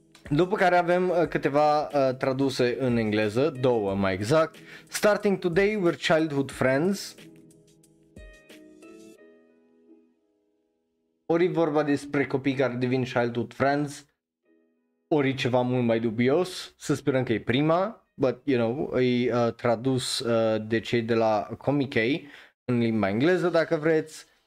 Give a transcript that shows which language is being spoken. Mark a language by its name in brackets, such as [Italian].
[Romanian] După care avem câteva traduse în engleză, două mai exact. [English] Starting today we're childhood friends. [Romanian] Ori vorba despre copii care devin [English] childhood friends, [Romanian] ori ceva mult mai dubios, să sperăm că e prima. [English] But, you know, [Romanian] e tradus de cei de la Comikei în limba engleză, dacă vreți.